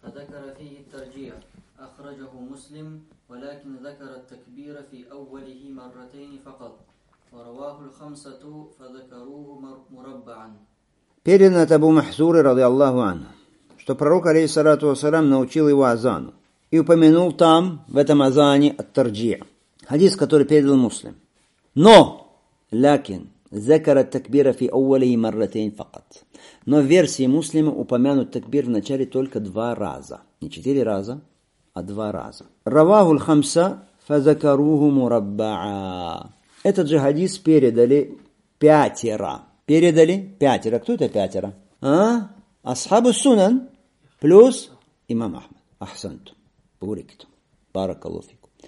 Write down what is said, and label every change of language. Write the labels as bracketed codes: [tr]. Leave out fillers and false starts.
[ar] أخرجه مسلم ولكن ذكر التكبير في أوله مرتين فقط ورواه الخمسة فذكروه مربعا. [ru] Передано от Абу Махзуры [ar] رضي الله عنه, [ru] что пророк алейхиссалату вассалям научил его азану и упомянул там в этом азане ат-тарджи', хадис, который передал Муслим. Но [ar] لكن ذكر التكبير في أوله مرتين فقط. [ru] Но в версии Муслима упомянут такбир в начале только два раза, не четыре раза, а два раза. [ar] Раваху аль-хамса фазакаруху мураббаа. [ru] Этот же хадис передали пятеро. Передали пятеро. Кто это пятеро? А? Асхабу сунан плюс имам Ахмад. Ахсанту. Буракату. [ar] Баракаллаху фикум.